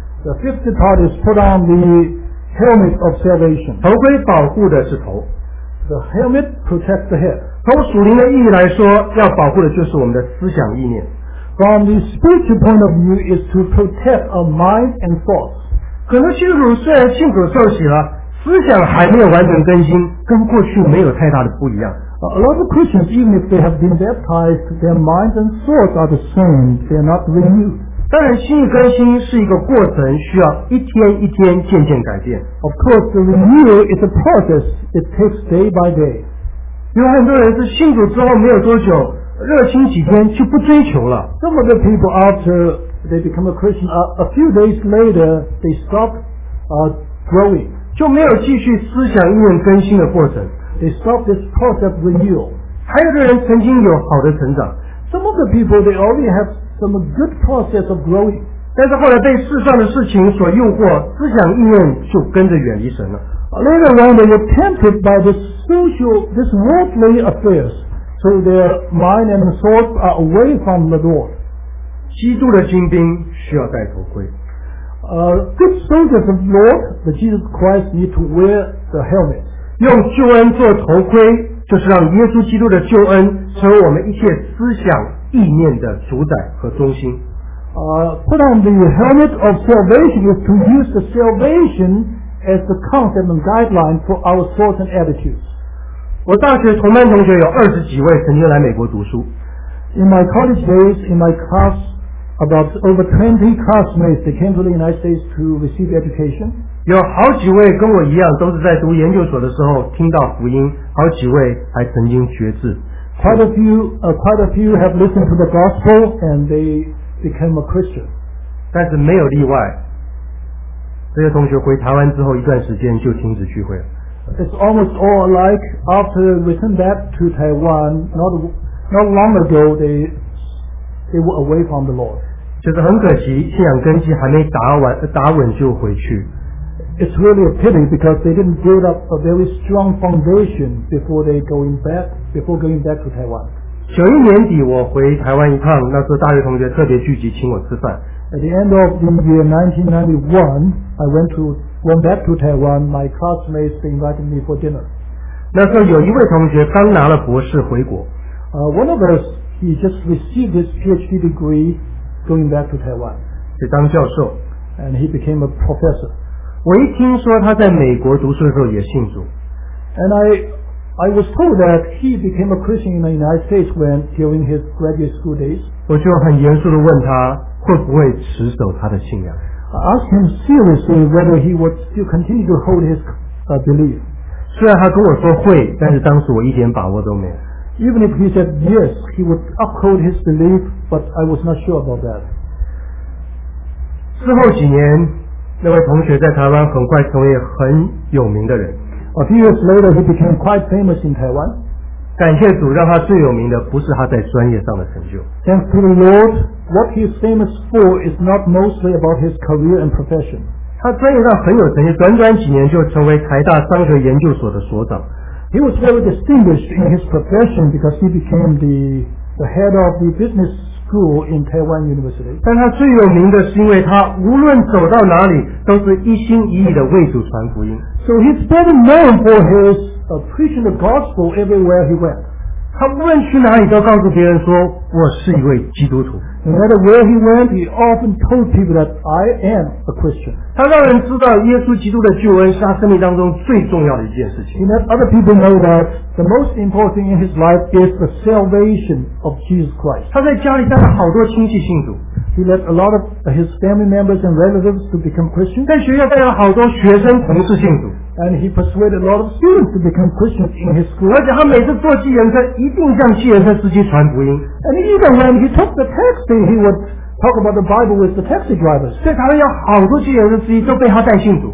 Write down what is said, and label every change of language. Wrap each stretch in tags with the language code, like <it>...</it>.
<en>，the fifth part is put on the helmet of salvation。</en> <zh>头盔保护的是头</zh> <en>，the helmet protects the head。</en> <zh>从属灵的意义来说，要保护的就是我们的思想意念。</zh> <en>From the spiritual point of view, is to protect our mind and thoughts.</en> <zh>可能信主虽然信主受洗了，思想还没有完全更新，跟过去没有太大的不一样。</zh> <en>A lot of Christians, even if they have been baptized, their minds and thoughts are the same. They're not renewed.</en> <zh>当然，心意更新是一个过程，需要一天一天渐渐改变。</zh> <en>Of course, the renewal is a process. It takes day by day.</en> <zh>有很多人是信主之后没有多久。热心几天就不追求了。</zh> <en>Some of the people after they become a Christian, a few days later they stop, growing,</en> <zh>就没有继续思想意念更新的过程。</zh> <en>They stop this process of renewal.</en> <zh>还有的人曾经有好的成长。</zh> <en>Some of the people they already have some good process of growing,</en> <zh>但是后来被世上的事情所诱惑，思想意念就跟着远离神了。</zh> <en>Later on they are tempted by this worldly affairs. So their mind and thoughts are away from the Lord.</en> <zh>基督的精兵需要戴头盔。</zh> <en>Good soldiers of the Lord, the Jesus Christ, need to wear the helmet.</en> <zh>用救恩做头盔，就是让耶稣基督的救恩成为我们一切思想意念的主宰和中心。</zh> <en>Put on the helmet of salvation is to use the salvation as the concept and guideline for our thoughts and attitudes.</en> <zh>我大学同班同学有二十几位曾经来美国读书。</zh> <en>In my college days, in my class, about over 20 classmates they came to the United States to receive education.</en> <zh>有好几位跟我一样，都是在读研究所的时候听到福音，好几位还曾经觉志。</zh> <en>Quite a few have listened to the gospel and they became a Christian.</en> <zh>但是没有例外，这些同学回台湾之后一段时间就停止聚会了。</zh> <en>It's almost all alike. After return back to Taiwan, not long ago, they were away from the Lord.</en> <zh>就是很可惜，信仰根基还没打稳就回去。</zh> <en>It's really a pity because they didn't build up a very strong foundation before going back to Taiwan.</en> <zh>91年底我回台湾一趟，那时候大学同学特别聚集请我吃饭。</zh> <en>At the end of the year 1991, I went back to Taiwan. My classmates invited me for dinner.</en> <zh>那时候有一位同学刚拿了博士回国。</zh> <en>One of us, he just received his PhD degree going back to Taiwan.</en> <zh>去当教授。</zh> <en>And he became a professor.</en> <zh>我一听说他在美国读书的时候也信主。</zh> <en>And I was told that he became a Christian in the United States during his graduate school days.</en> <zh>我就很严肃地问他会不会持守他的信仰。</zh> <en>I asked him seriously whether he would still continue to hold his belief.</en> <zh>虽然他跟我说会，但是当时我一点把握都没有。</zh> <en>Even if he said yes, he would uphold his belief, but I was not sure about that.</en> <zh>之后几年，那位同学在台湾很快成为很有名的人。</zh> <en>A few years later, he became quite famous in Taiwan.</en> <zh>感谢主，让他最有名的不是他在专业上的成就。</zh> <en>Thanks to the Lord. What he is famous for is not mostly about his career and profession.</en> <zh>他专业上很有成绩，短短几年就成为台大商学研究所的所长。</zh> <en>He was very distinguished in his profession because he became the head of the business school in Taiwan University.</en> <zh>但他最有名的是因为他无论走到哪里都是一心一意的为主传福音。</zh> <en>So he's better known for his preaching the gospel everywhere he went.</en> <zh>他无论去哪里都告诉别人说我是一位基督徒。</zh> <en>No matter where he went, he often told people that I am a Christian.</en> <zh>他让人知道耶稣基督的救恩是他生命当中最重要的一件事情。</zh> <en>He let other people know that the most important thing in his life is the salvation of Jesus Christ.</en> <zh>他在家里带了好多亲戚信主。</zh> <en>He let a lot of his family members and relatives to become Christian.</en> <zh>在学校带了好多学生同事信主。</zh> <en>And he persuaded a lot of students to become Christians in his school.</en> <zh>而且他每次坐计程车一定向计程车司机传福音。</zh> <en>And even when he took the taxi, he would talk about the Bible with the taxi drivers.</en> <zh>在台湾有好多计程车司机都被他带信主。</zh>